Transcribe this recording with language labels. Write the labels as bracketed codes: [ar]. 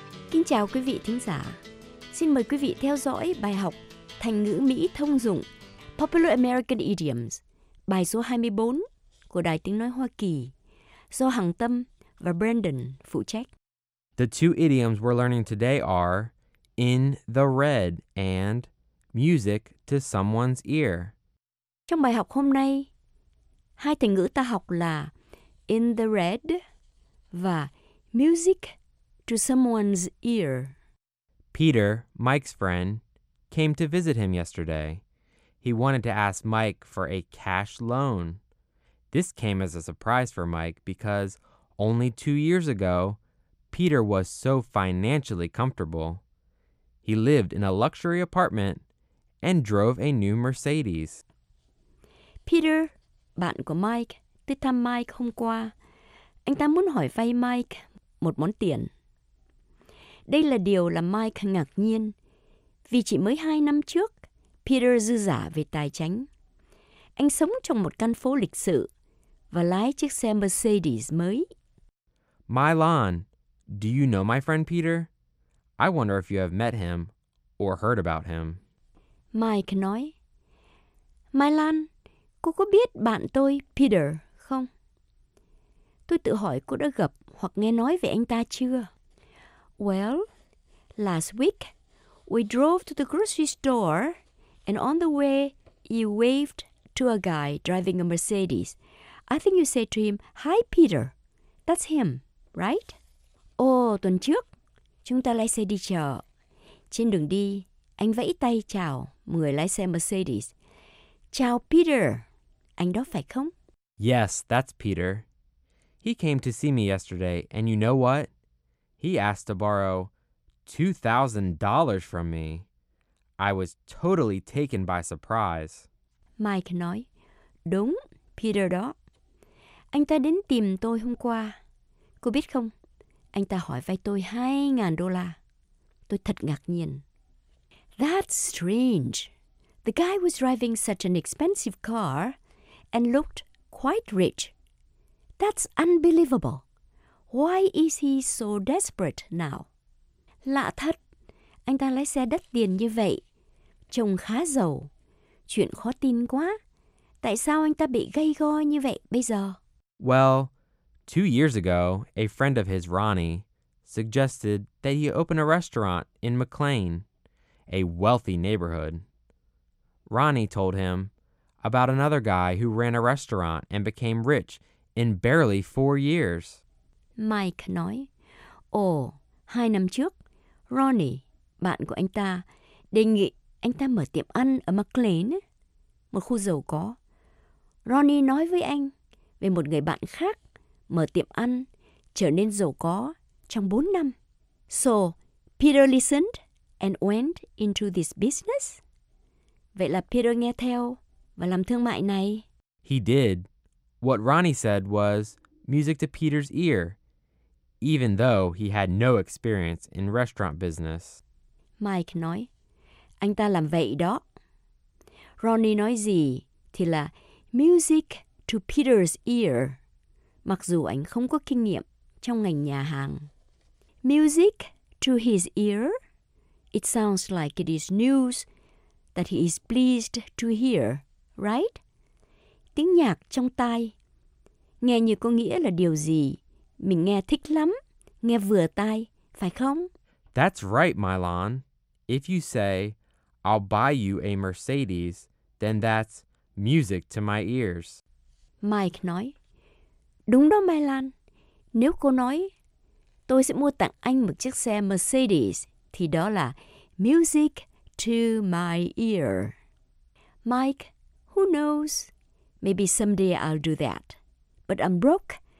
[vi] Kính chào quý vị thính giả. Xin mời quý vị theo dõi bài học Thành ngữ Mỹ thông dụng Popular American Idioms, bài số 24 của Đài Tiếng nói Hoa Kỳ, do Hằng Tâm và Brandon phụ trách. [en] The two idioms we're learning today are in the red and music to someone's ear. [vi] Trong bài học hôm nay, hai thành ngữ ta học là [en] in the red [vi] và [en] music to someone's ear. Peter, Mike's friend, came to visit him yesterday. He wanted to ask Mike for a cash loan. This came as a surprise for Mike because only 2 years ago, Peter was so financially comfortable. He lived in a luxury apartment and drove a new Mercedes. [vi] Peter, bạn của Mike, tới thăm Mike hôm qua. Anh ta muốn hỏi vay Mike một món tiền. Đây là điều làm Mike ngạc nhiên, vì chỉ mới 2 năm trước, Peter dư giả về tài chính. Anh sống trong một căn phố lịch sự và lái chiếc xe Mercedes mới. [en] Mylon, do you know my friend Peter? I wonder if you have met him or heard about him. [vi] Mike nói, Mylon, cô có biết bạn tôi Peter không? Tôi tự hỏi cô đã gặp hoặc nghe nói về anh ta chưa? [en] Well, last week, we drove to the grocery store and on the way, you waved to a guy driving a Mercedes. I think you said to him, hi Peter, that's him, right? [vi] Oh, tuần trước, chúng ta lái xe đi chợ. Trên đường đi, anh vẫy tay chào người lái xe Mercedes. Chào Peter, anh đó phải không? [en] Yes, that's Peter. He came to see me yesterday and you know what? He asked to borrow $2,000 from me. I was totally taken by surprise. [vi] Mike nói, đúng, Peter đó. Anh ta đến tìm tôi hôm qua. Cô biết không, anh ta hỏi vay tôi $2,000. Tôi thật ngạc nhiên. [en] That's strange. The guy was driving such an expensive car and looked quite rich. That's unbelievable. Why is he so desperate now? [vi] Lạ thật, anh ta lái xe đắt tiền như vậy. Trông khá giàu. Chuyện khó tin quá. Tại sao anh ta bị gay go như vậy bây giờ? [en] Well, 2 years ago, a friend of his, Ronnie, suggested that he open a restaurant in McLean, a wealthy neighborhood. Ronnie told him about another guy who ran a restaurant and became rich in barely 4 years. [vi] Mike nói, ồ, 2 năm trước, Ronnie, bạn của anh ta, đề nghị anh ta mở tiệm ăn ở McLean, một khu giàu có. Ronnie nói với anh, về một người bạn khác mở tiệm ăn, trở nên giàu có trong 4 năm. [en] So, Peter listened and went into this business. [vi] Vậy là Peter nghe theo và làm thương mại này. [en] He did. What Ronnie said was music to Peter's ear, even though he had no experience in restaurant business. [vi] Mike nói, anh ta làm vậy đó. Ronnie nói gì thì là [en] music to Peter's ear, [vi] mặc dù anh không có kinh nghiệm trong ngành nhà hàng. [en] Music to his ear, it sounds like it is news that he is pleased to hear, right? [vi] Tiếng nhạc trong tai, nghe như có nghĩa là điều gì, mình nghe thích lắm, nghe vừa tai, phải không? [en] That's right, Milan. If you say, I'll buy you a Mercedes, then that's music to my ears. [vi] Mike nói, đúng đó, Milan. Nếu cô nói, tôi sẽ mua tặng anh một chiếc xe Mercedes, thì đó là [en] music to my ear. Mike, who knows? Maybe someday I'll do that. But I'm broke.